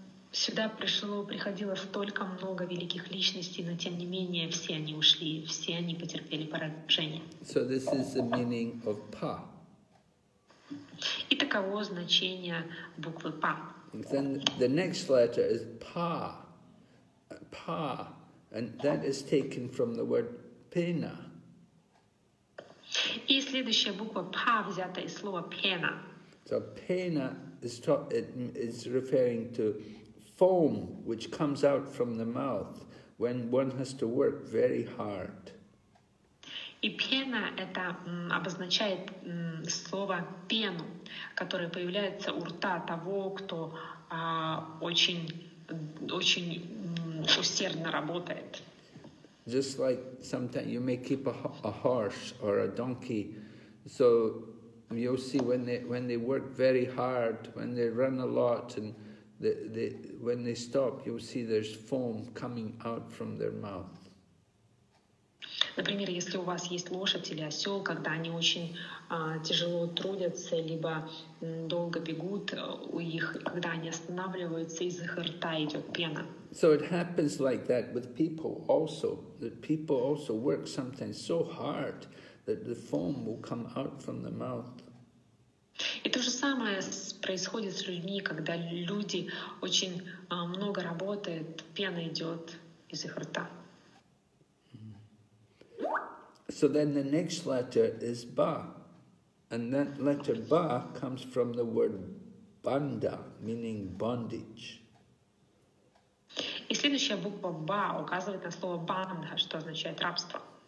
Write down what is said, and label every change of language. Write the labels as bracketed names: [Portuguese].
[Russian] Сюда приходило столько много великих личностей, но тем не менее все они ушли, все они потерпели поражение. [English] So this is the meaning of pa. [Russian] И таково значение буквы pa. [English] Then the next letter is pa, pa, and that is taken from the word pena. [Russian] И следующая буква па взята из слова пена. [English] So pena is referring to foam which comes out from the mouth when one has to work very hard. [Russian] И пена это обозначает слово пену, которое появляется у рта того, кто очень усердно работает. [English] Just like sometimes you may keep a horse or a donkey, so you'll see when they work very hard, when they run a lot, and when they stop, you'll see there's foam coming out from their mouth. [Russian] Например, если у вас есть лошадь или осел, когда они очень тяжело трудятся, либо долго бегут, когда они останавливаются, из их рта идет пена. [English] So it happens like that with people also, that people also work sometimes so hard that the foam will come out from the mouth. [Russian] то же самое происходит с людьми, когда люди очень много работают, пена идет из их рта. [English] So then the next letter is ba. And that letter ba comes from the word banda, meaning bondage. [Russian] И следующая буква ба указывает на слово банда, что означает рабство.